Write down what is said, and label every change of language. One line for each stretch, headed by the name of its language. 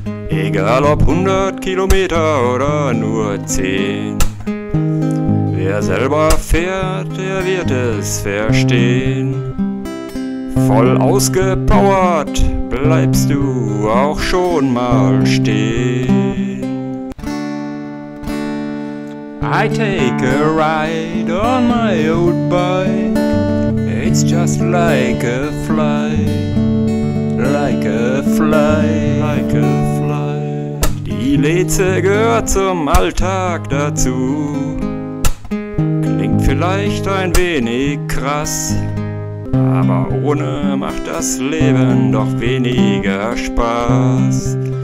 German: egal ob 100 Kilometer oder nur 10, wer selber fährt, der wird es verstehen. Voll ausgepowert bleibst du auch schon mal stehen.
English: I take a ride on my old bike, it's just like a flight, like a flight, like a flight.
German: Die Leze gehört zum Alltag dazu. Klingt vielleicht ein wenig krass, aber ohne macht das Leben doch weniger Spaß.